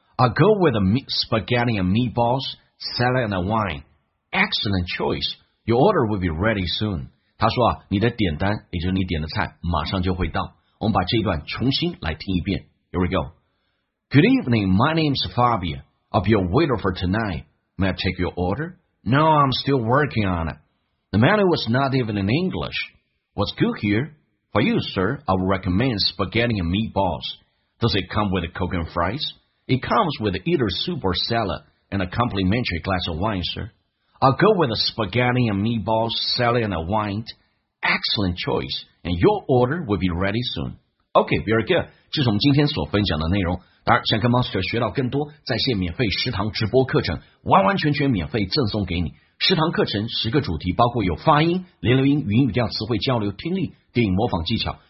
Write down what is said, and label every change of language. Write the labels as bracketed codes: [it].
[en] I'll go with a spaghetti and meatballs, salad and a wine. Excellent choice. Your order will be ready soon. [zh] 他说啊，你的点单，也就是你点的菜，马上就会到。我们把这一段重新来听一遍。 [en] Here we go. Good evening, my name's Fabio. I'll be your waiter for tonight. May I take your order? No, I'm still working on it. The menu was not even in English. What's good here? For you, sir, I would recommend spaghetti and meatballs. Does it come with a Coke and fries? It comes with either soup or salad and a complimentary glass of wine, sir. I'll go with a spaghetti and meatballs, salad and a wine. Excellent choice. And your order will be ready soon. Okay, very good. [zh] 这是我们今天所分享的内容。当然，想跟 Monster 学到更多在线免费食堂直播课程，完完全全免费赠送给你。食堂课程十个主题，包括有发音、连留音、语音语调、词汇交流、听力、电影模仿技巧。